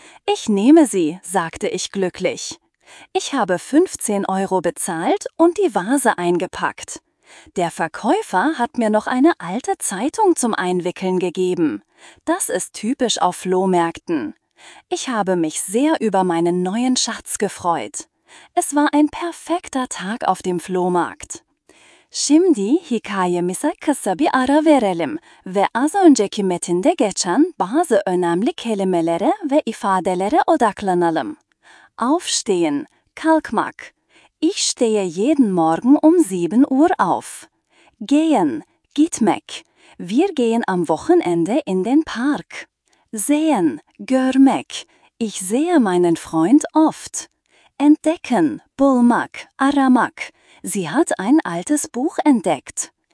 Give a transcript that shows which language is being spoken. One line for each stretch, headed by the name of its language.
German: »Ich nehme sie«, sagte ich glücklich. Ich habe 15 Euro bezahlt und die Vase eingepackt. Der Verkäufer hat mir noch eine alte Zeitung zum Einwickeln gegeben. Das ist typisch auf Flohmärkten. Ich habe mich sehr über meinen neuen Schatz gefreut. Es war ein perfekter Tag auf dem Flohmarkt.
Turkish: Şimdi hikaye mise kısa bir ara verelim ve az önceki metinde geçen bazı önemli kelimelere ve ifadelere odaklanalım.
German: Aufstehen,
Turkish: kalkmak.
German: Ich stehe jeden Morgen um 7 Uhr auf. Gehen,
Turkish: gitmek.
German: Wir gehen am Wochenende in den Park. Sehen,
Turkish: görmek.
German: Ich sehe meinen Freund oft. Entdecken,
Turkish: bulmak, aramak.
German: Sie hat ein altes Buch entdeckt.